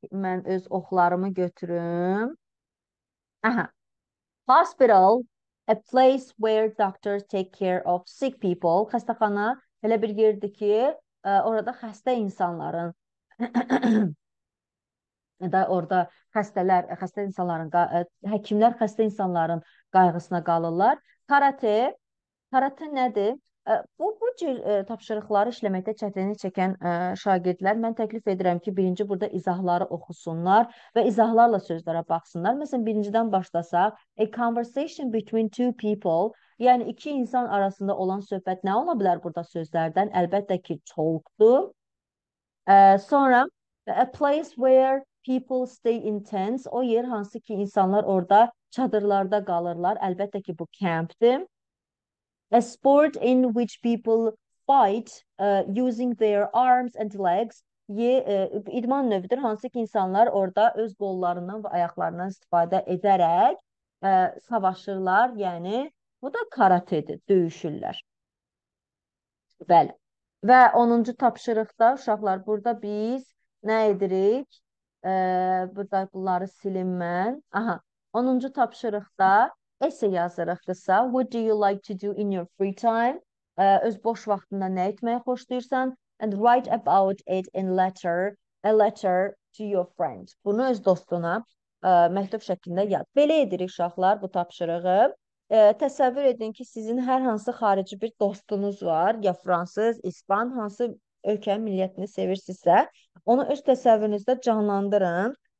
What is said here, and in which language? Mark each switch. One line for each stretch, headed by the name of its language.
Azerbaijani: Mən öz oxlarımı götürüm. Aha.
English: Hospital, a place where doctors take care of sick people.
Azerbaijani: Xəstəxana elə bir yerdir ki, orada xəstə insanların da orada xəstə insanların, həkimlər xəstə insanların qayğısına qalırlar. Karate nədir? Bu cür tapşırıqları işləməkdə çətinlik çəkən şagirdlər, mən təklif edirəm ki, birinci burada izahları oxusunlar və izahlarla sözlərə baxsınlar. Məsələn, birincidən başlasaq,
English: a conversation between two people,
Azerbaijani: yəni iki insan arasında olan söhbət nə ola bilər burada sözlərdən? Əlbəttə ki, talk'dur. Sonra,
English: a place where people stay in tents,
Azerbaijani: o yer hansı ki, insanlar orada çadırlarda qalırlar. Əlbəttə ki, bu campdir.
English: A sport in which people fight using their arms and legs.
Azerbaijani: İdman növüdür, hansı ki insanlar orada öz qollarından və ayaqlarından istifadə edərək savaşırlar. Yəni, bu da karatedir, döyüşürlər. Bəli. Ve 10. tapşırıqda uşaqlar burada biz nə edirik? Burada bunları silinmən. Aha. 10. tapşırıqda essay yazırıq qısa.
English: What do you like to do in your free time?
Azerbaijani: Öz boş vaxtında nə etməyi xoşlayırsan?
English: And write about it in a letter to your friend.
Azerbaijani: Bunu öz dostuna məktub şəklində yaz. Belə edirik uşaqlar bu tapşırığı. Təsəvvür edin ki, sizin hər hansı xarici bir dostunuz var, ya fransız, ispan, hansı ölkənin millətini sevirsinizsə, onu öz təsəvvürünüzdə canlandırın.